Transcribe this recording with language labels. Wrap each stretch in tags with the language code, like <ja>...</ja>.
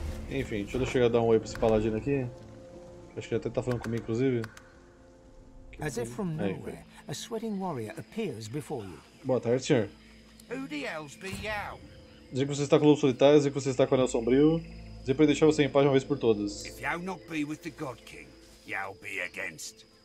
<pt>Enfim, deixa eu chegar a dar um oi pra esse paladino aqui. Acho que ele até tá falando comigo, inclusive.</pt> <en>As if from nowhere, a sweating warrior appears before you.</en> <pt>Boa tarde, senhor.</pt> <en>Who the hell's be you?</en> <pt>Dizem que você está com lobos solitários, dizem que você está com o anel sombrio. Dizem para deixar você em paz uma vez por todas.</pt> <en>If you not be with the God King, you'll be against.</en>